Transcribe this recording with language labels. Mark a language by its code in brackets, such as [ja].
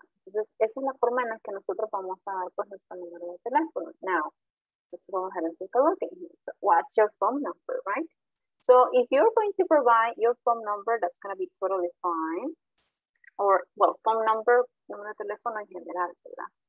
[es] Entonces, esa es la forma en la que nosotros vamos a dar con nuestro número de teléfono. [en] Now, let's go ahead and take a look at it. So what's your phone number, right? So if you're going to provide your phone number, that's going to be totally fine. Or, well, phone number, [es] número de teléfono en general, ¿verdad?